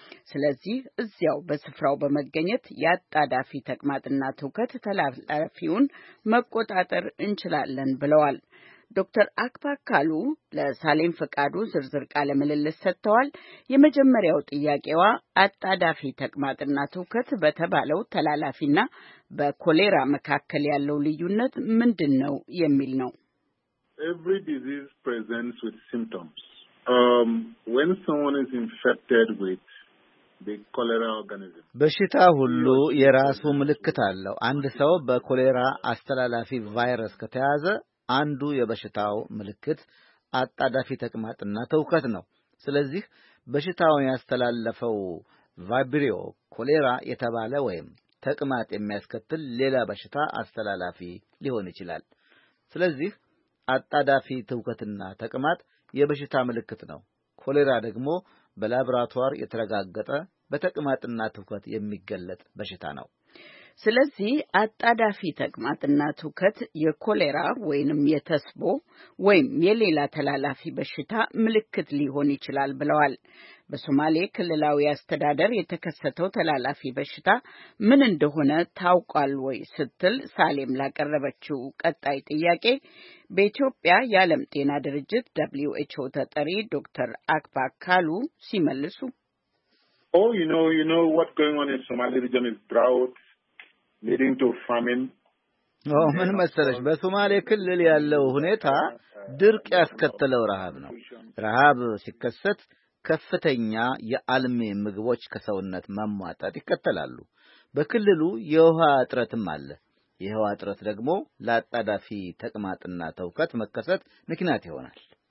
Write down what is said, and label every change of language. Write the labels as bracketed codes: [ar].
[am] ስለዚህ እዚያው በስፍራው በመገኘት ያጣዳፊ ተቅማጥና ትውከት ተላላፊውን መቆጣጠር እንችላለን ብለዋል። ዶክተር አክፓካሉ ለሳሌም ፈቃዱ ዝርዝር ቃለ ምልልስ ሰጥተዋል። የመጀመሪያው ጥያቄዋ አጣዳፊ ተቅማጥና ትውከት በተባለው ተላላፊና በኮሌራ መካከል ያለው ልዩነት ምንድነው የሚል ነው። [en] Every disease presents with symptoms. When someone is infected with the cholera organism. [am] በሽታ ሁሉ የራሱ ምልክት አለው። አንድ ሰው በኮሌራ አስተላላፊ ቫይረስ ከተያዘ አንዱ የበሽታው ምልክት አጣዳፊ ተቅማጥና ትውከት ነው። ስለዚህ በሽታው ያስተላለፈው ቫይብሪዮ ኮሌራ የተባለ ወይም ተቅማጥ የሚያስከትል ሌላ በሽታ አስተላላፊ ሊሆን ይችላል። ስለዚህ አጣዳፊ ትውከትና ተቅማጥ የበሽታ ምልክት ነው። ኮሌራ ደግሞ በላብራቶሪ የተረጋገጠ በተቅማጥና ትውከት የሚገለጥ በሽታ ነው። ስለዚህ አጣዳፊ ተቅማጥና ትውከት የኮሌራ ወይንም የተስቦ ወይም የሌላ ተላላፊ በሽታ ምልክት ሊሆን ይችላል ብለዋል። በሶማሌ ክልላዊ አስተዳደር የተከሰተው ተላላፊ በሽታ ምን እንደሆነ ታውቃል ወይ ስትል ሳሌም ላቀረበችው ቀጣይ ጥያቄ በኢትዮጵያ የዓለም ጤና ድርጅት WHO ተጠሪ ዶክተር አክባ ካሉ ሲመልሱ [en] Oh, you know what's going on in Somali region is drought leading to famine. [am] Oh, ምን መሰለሽ በሶማሌ ክልል ያለው ሁኔታ ድርቅ ያስከተለው ረሃብ ነው። ረሃብ ሲከሰት ከፍተኛ የአልሚ ምግቦች ከሰውነት መሟጠጥ ይከተላሉ። በክልሉ የውሃ እጥረትም አለ። የውሃ እጥረት ደግሞ ለአጣዳፊ ተቅማጥና ትውከት መከሰት ምክንያት ይሆናል።